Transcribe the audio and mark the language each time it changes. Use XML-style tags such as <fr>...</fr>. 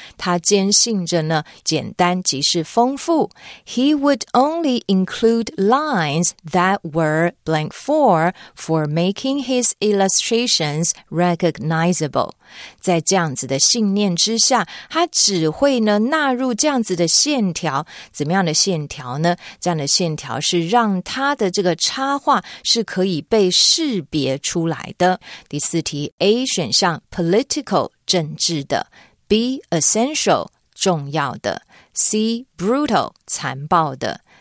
<zh>他坚信着呢，简单即是丰富。</zh> <en>He would only include lines that were blank for making his illustrations recognizable.</en> <zh>在这样子的信念之下，他只会呢纳入这样子的线条。怎么样的线条呢？这样的线条是让他的这个插画是可以被识别出来的。第四题 A 选项 political 政治的 ，B essential 重要的 ，C brutal 残暴的。</zh>